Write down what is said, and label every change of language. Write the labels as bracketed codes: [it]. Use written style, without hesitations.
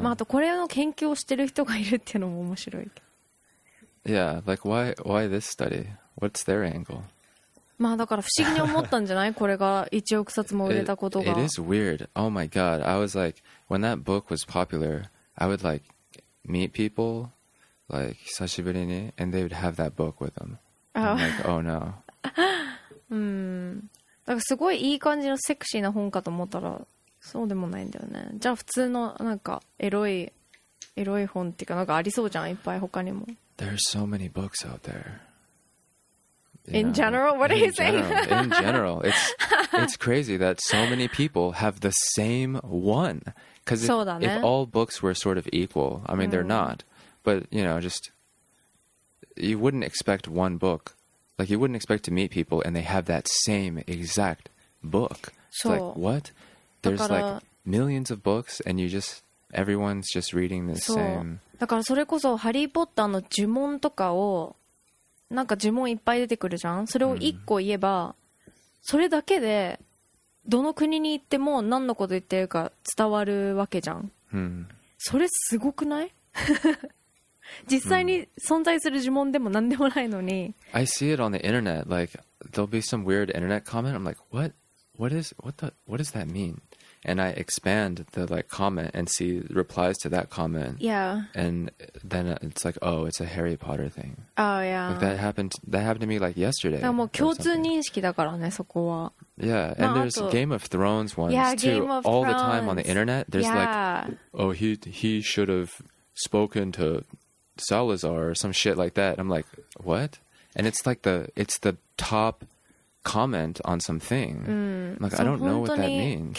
[ja] まああとこれの研究をしてる人がいるっていうのも面白い。 [en] Yeah, like why this study? What's their angle? [ja] まあだから不思議に思ったんじゃない？これが1億冊も売れたことが。 [en] It is weird. Oh my god. I was like, when that book was popular, I would like meet people like [ja] 久しぶりに [en] and they would have that book with them. Oh. I'm like, oh no. [ja] だからすごいいい感じのセクシーな本かと思ったらそうでもないんだよね。じゃあ普通のなんかエロい本っていうかなんかありそうじゃん、いっぱい他にも。 [en] There are so many books out there. In general? What are you saying? In general. It's crazy that so many people have the same one. [ja] そうだね。 [en] If all books were sort of equal, I mean they're not. But, you know, just you wouldn't expect one book. Like you wouldn't expect to meet people and they have that same exact book. So like, what? There's like millions of books and you just... Everyone's just reading the same. [ja] だからそれこそハリーポッターの呪文とかをなんか呪文いっぱい出てくるじゃん。それを一個言えば、それだけでどの国に行っても何のこと言ってるか伝わるわけじゃん。それすごくない？実際に存在する呪文でも何でもないのに。 [en] I see it on the internet. Like there'll be some weird internet comment. I'm like, what? What does that mean? And I expand the like comment and see replies to that comment. Yeah. And then it's like, oh, it's a Harry Potter thing. Oh yeah. Like that happened to me like yesterday. [ja] もう共通認識だからね、そこは。 [en] Yeah, and there's Game of Thrones ones yeah, too. Game of Thrones. All the time on the internet. There's like, oh, he should have spoken to Salazar or some shit like that. I'm like, what? And it's like it's the top comment on something. Like, I don't know what that means.